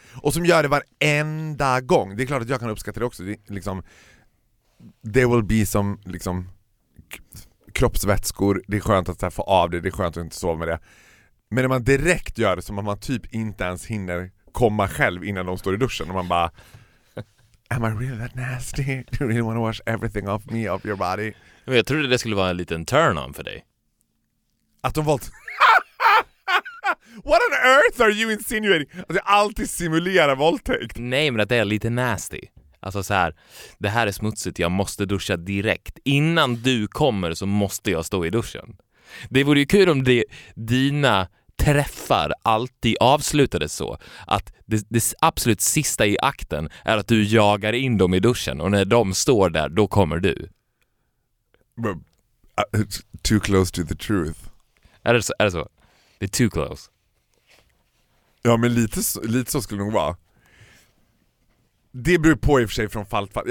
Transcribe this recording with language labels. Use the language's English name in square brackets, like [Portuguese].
[Swedish] Och som gör det varenda gång. Det är klart att jag kan uppskatta det också. Det, liksom, [English] there will be [Swedish] som liksom kroppsvätskor. Det är skönt att så här, få av det. Det är skönt att inte sova med det. Men när man direkt gör det som att man typ inte ens hinner komma själv innan de står i duschen och man bara, [English] am I really that nasty? Do you really want to wash everything off me, off your body? [Swedish] Men jag trodde det skulle vara en liten [English] turn on [Swedish] för dig. Att de valt... [English] What on earth are you insinuating? [Swedish] Att jag alltid simulerar våldtäkt. Nej, men att det är lite nasty. Alltså så här, det här är smutsigt, jag måste duscha direkt. Innan du kommer så måste jag stå i duschen. Det vore ju kul om det, dina träffar alltid avslutades så. Att det absolut sista i akten är att du jagar in dem i duschen. Och när de står där, då kommer du. [English] But, too close to the truth. [Swedish] Är det så? Det är [English] too close. [Swedish] Ja, men lite så skulle det nog vara. Det beror på i och för sig från fall till fall.